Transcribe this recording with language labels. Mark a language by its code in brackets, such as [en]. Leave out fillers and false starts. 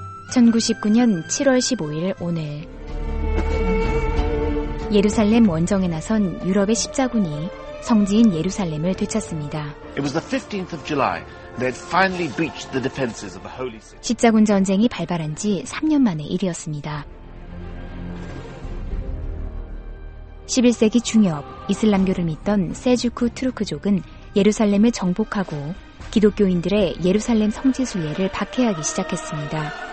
[ko] 1099년 7월 15일 오늘 예루살렘 원정에 나선 유럽의 십자군이 성지인 예루살렘을 되찾습니다. [en] It was the 15th of July. They had finally breached the defenses of the Holy City. [ko] 십자군 전쟁이 발발한 지 3년 만의 일이었습니다. 11세기 중엽 이슬람교를 믿던 세주크 투르크족은 예루살렘을 정복하고 기독교인들의 예루살렘 성지 순례를 박해하기 시작했습니다.